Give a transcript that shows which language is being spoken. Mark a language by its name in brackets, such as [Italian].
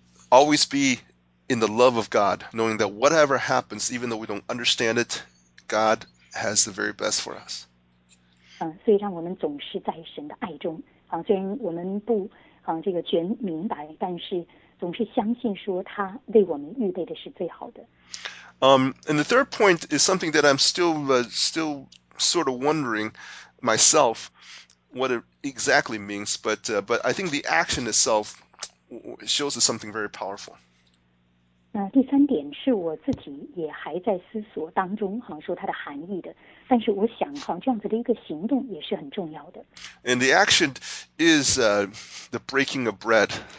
[English] Always be in the love of God, knowing that whatever happens, even though we don't understand it, God has the very best for us. [Chinese] 所以让我们总是在神的爱中虽然我们不这个全明白，但是总是相信说他为我们预备的是最好的。 [English] And the third point is something that I'm still sort of wondering myself what it exactly means, but I think the action itself shows us something very powerful. [Chinese] 那第三点是我自己也还在思索当中，好像说它的含义的。但是我想，好像这样子的一个行动也是很重要的。 [English] And the action is the breaking of bread.